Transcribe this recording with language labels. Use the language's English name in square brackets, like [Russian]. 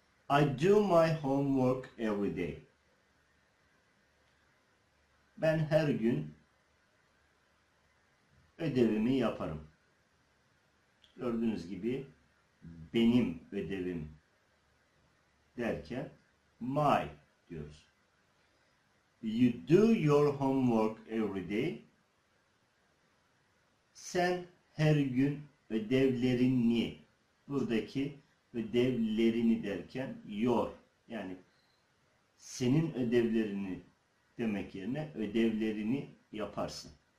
[English] I do my homework every day. [Turkish] Ben her gün ödevimi yaparım. Gördüğünüz gibi benim ödevim derken my diyoruz. [English] You do your homework every day. [Turkish] Sen her gün ödevlerini, buradaki ödevlerini derken your, yani senin ödevlerini demek yerine ödevlerini yaparsın.